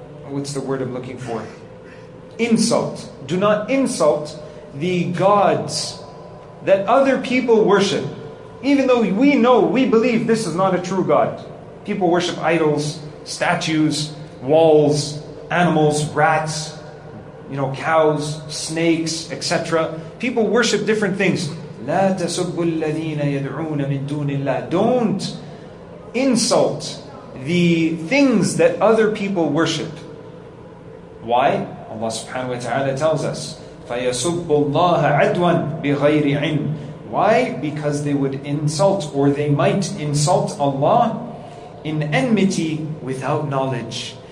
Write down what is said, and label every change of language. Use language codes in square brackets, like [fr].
[en] what's the word I'm looking for? Insult. Do not insult the gods that other people worship. Even though we know, we believe this is not a true God. People worship idols, statues, walls, animals, rats, you know, cows, snakes, etc. People worship different things. [ar] لا تسبوا الذين يدعون من دون الله. [en] Don't insult the things that other people worship. Why? Allah subhanahu wa ta'ala tells us, [ar] فَيَسُبُّ اللَّهَ عَدْوًا بِغَيْرِ عِلْمٍ. [en] Why? Because they would insult, or they might insult Allah in enmity without knowledge.